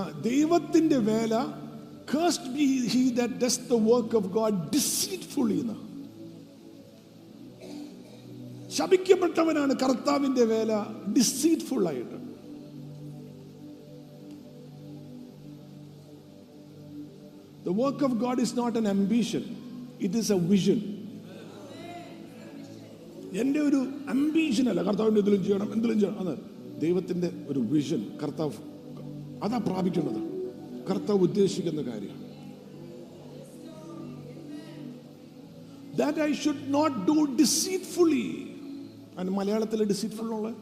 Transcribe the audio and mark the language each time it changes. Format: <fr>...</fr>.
<ml>ദൈവത്തിന്റെ വേല,</ml> <en>cursed be he that does the work of God deceitfully.</en> <ml>ശപിക്കപ്പെട്ടവനാണ് കർത്താവിന്റെ വേല ഡിസീറ്റ്ഫുൾ ആയിട്ട്.</ml> <en>The work of God is not an ambition, it is a vision.</en> <ml>എന്റെ ഒരു ambition അല്ല കർത്താവിന്റെ എന്തെങ്കിലും ചെയ്യണം എന്തെങ്കിലും ചെയ്യണം, അത് ദൈവത്തിന്റെ ഒരു വിഷൻ. കർത്താവ് അതാ പ്രാപിക്കുന്നത്, കർത്താവ് ഉദ്ദേശിക്കുന്ന കാര്യം.</ml> <en>That I should not do deceitfully. And</en> <ml>മലയാളത്തിൽ ഡിസീറ്റ്ഫുൾ ഉള്ള</ml>